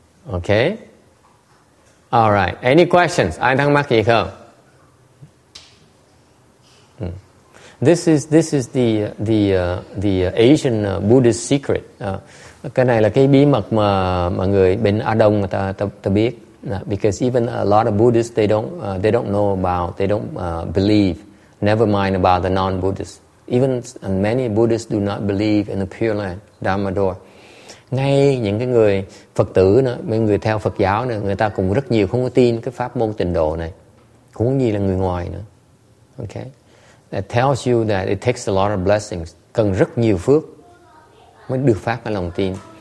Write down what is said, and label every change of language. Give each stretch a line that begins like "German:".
English: Okay? All right. Any questions?
Vietnamese: Ai thắc mắc gì không?
English: This is the Asian Buddhist secret.
Vietnamese: Cái này là cái bí mật mà người bên Á Đông người ta biết.
English: Because even a lot of Buddhists they don't know about, they don't believe. Never mind about the non-Buddhists. Even and many Buddhists do not believe in the Pure Land Dhammador.
Vietnamese: Ngay những cái người Phật tử nữa, mấy người theo Phật giáo nữa, người ta cũng rất nhiều không có tin cái pháp môn tịnh độ này. Cũng như là người ngoài nữa.
English: Okay. That tells you that it takes a lot of blessings.
Vietnamese: Cần rất nhiều phước mới được phát cái lòng tin.